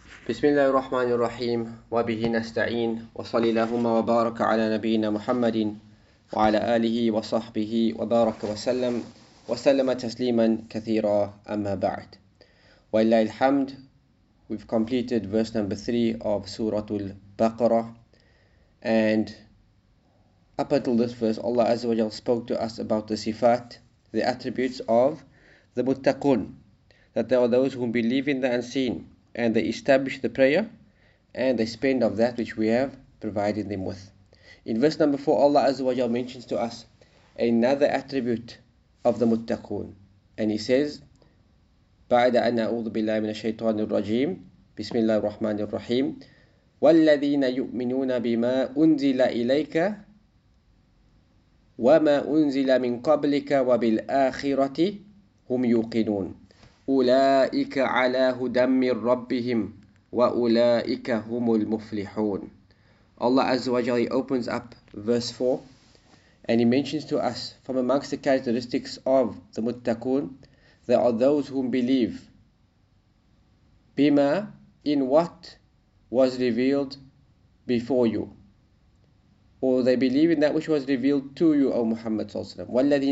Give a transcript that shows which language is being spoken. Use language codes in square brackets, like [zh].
[ar] بسم الله الرحمن الرحيم وبه نستعين وصلى اللهم وبارك على نبينا محمد وعلى آله وصحبه وبارك وسلم وسلم تسليما كثيرا أما بعد وإلا الحمد. [en] We've completed verse number 3 of Surah Al-Baqarah, and up until this verse Allah Azza wa Jalla spoke to us about the sifat, the attributes of the muttaqun, that there are those who believe in the unseen and they establish the prayer and they spend of that which we have provided them with. In verse number 4, Allah Azza wa Jalla mentions to us another attribute of the muttaqun, and he says, [ar] بعد أن أعوذ بالله من الشيطان الرجيم بسم الله الرحمن الرحيم والذين يؤمنون بما أنزل إليك وما أنزل من قبلك وبالآخرة هم يوقنون أولئك على هدى من ربهم وأولئك هم المفلحون. [en] Allah Azza wa Jalla opens up verse 4 and he mentions to us from amongst the characteristics of the muttaqun, there are those whom believe bima, in what was revealed before you, or they believe in that which was revealed to you, O Muhammad sallallahu alaihi wasallam.